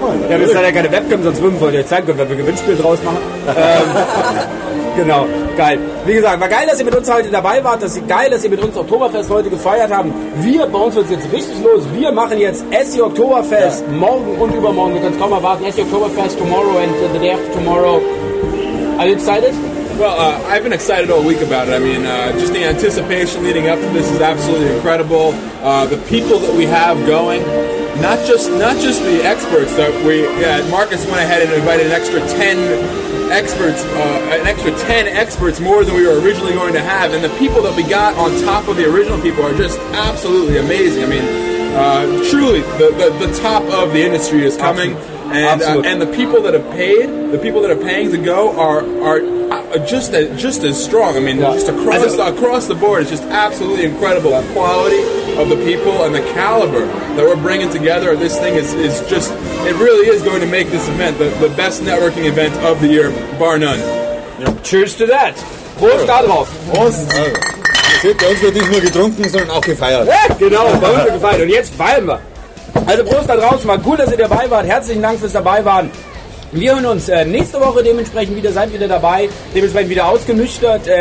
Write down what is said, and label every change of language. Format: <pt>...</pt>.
<de>Wir müssen ja keine Webcam, sonst würden wir euch zeigen können, wenn wir ein Gewinnspiel draus machen. Genau, geil. Wie gesagt, war geil, dass ihr mit uns heute dabei wart. Das ist geil, dass ihr mit uns Oktoberfest heute gefeiert habt. Wir bauen uns jetzt richtig los. Wir machen jetzt SC Oktoberfest morgen und übermorgen. Wir können es kaum erwarten.</de> <en>SC Oktoberfest tomorrow and the day after tomorrow. Are you excited? Well, I've been excited all week about it. I mean, just the anticipation leading up to this is absolutely incredible. The people that we have going, not just the experts that we, yeah, Marcus went ahead and invited an extra 10 experts more than we were originally going to have, and the people that we got on top of the original people are just absolutely amazing. I mean, truly, the top of the industry is coming. Absolutely. And the people that have paid, the people that are paying to go are just as strong. I mean, just across the board, it's just absolutely incredible. The quality of the people and the caliber that we're bringing together, this thing is just, it really is going to make this event the best networking event of the year, bar none. Yep. Cheers to that.</en> <de>Prost darauf. Prost. Seht, bei uns wird nicht nur getrunken, sondern auch gefeiert. Genau, bei uns wird gefeiert. Und jetzt feiern wir. Also Prost da draußen, mal cool, dass ihr dabei wart. Herzlichen Dank fürs dabei waren. Wir hören uns nächste Woche dementsprechend wieder, seid wieder dabei, dementsprechend wieder ausgenüchtert.</de>